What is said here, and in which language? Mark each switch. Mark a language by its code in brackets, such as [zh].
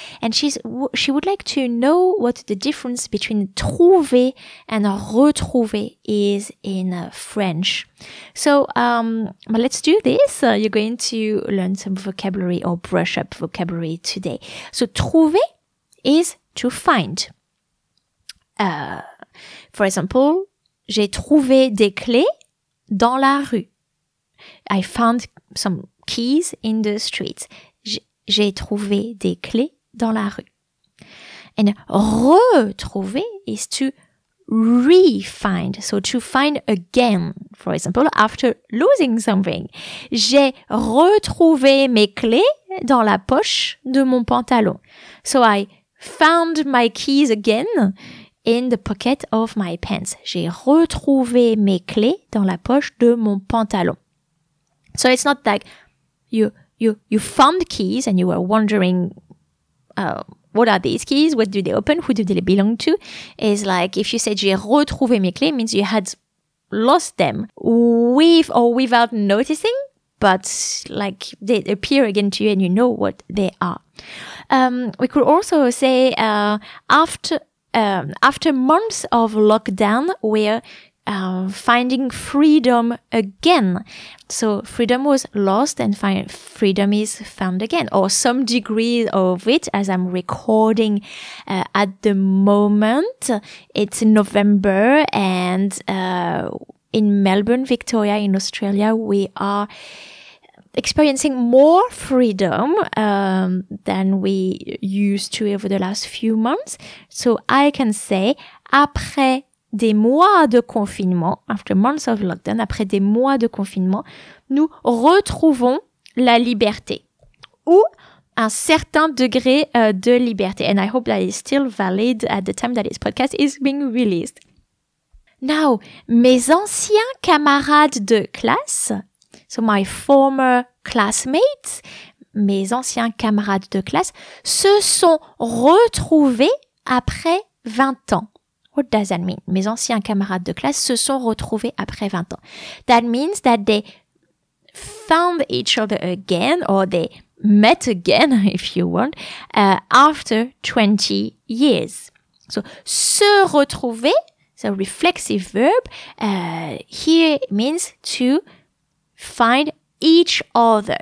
[en] And she would like to know what the difference between trouver and retrouver is in French. So let's do this. You're going to learn some vocabulary or brush up vocabulary today. So trouver is to find. [fr] For example, j'ai trouvé des clés dans la rue. [en] I found some keys in the street. [fr] J'ai trouvé des clés dans la rue. [en] And retrouver is to re-find. So to find again. For example, after losing something. [fr] J'ai retrouvé mes clés dans la poche de mon pantalon. [en] So I found my keys again. In the pocket of my pants. [fr] J'ai retrouvé mes clés dans la poche de mon pantalon. [en] So it's not like you found keys and you were wondering, what are these keys? What do they open? Who do they belong to? It's like if you said [fr] j'ai retrouvé mes clés, [en] it means you had lost them with or without noticing, but like they appear again to you and you know what they are. We could also say after months of lockdown, we're finding freedom again. So freedom was lost and freedom is found again, or some degree of it, as I'm recording at the moment. It's November and in Melbourne, Victoria, in Australia, we are experiencing more freedom than we used to over the last few months. So I can say, [fr] après des mois de confinement, [en] after months of lockdown, [fr] après des mois de confinement, nous retrouvons la liberté. Ou un certain degré de liberté. [en] And I hope that is still valid at the time that this podcast is being released. [fr] Now, mes anciens camarades de classe. [en] So my former classmates, [fr] mes anciens camarades de classe, se sont retrouvés après 20 ans. [en] What does that mean? [fr] Mes anciens camarades de classe se sont retrouvés après 20 ans. [en] That means that they found each other again, or they met again, if you want, after 20 years. So, se retrouver, so reflexive verb, here means to find each other.